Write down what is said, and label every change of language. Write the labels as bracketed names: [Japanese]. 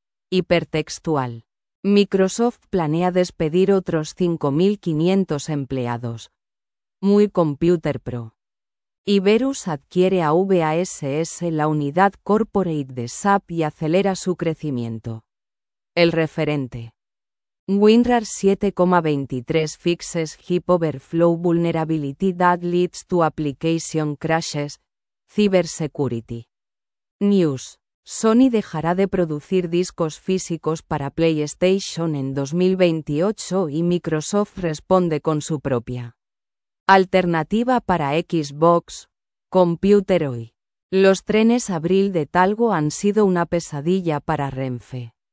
[Spanish] Hipertextual. Microsoft planea despedir otros 5.500 empleados. Muy Computer Pro. Iberus adquiere a VASS, la unidad corporate de SAP, y acelera su crecimiento. El referente. [English] WinRAR 7.23 fixes heap overflow vulnerability that leads to application crashes. Cybersecurity. News. [Spanish] Sony dejará de producir discos físicos para PlayStation en 2028 y Microsoft responde con su propia alternativa para Xbox. Computer Hoy. Los trenes abril de Talgo han sido una pesadilla para Renfe.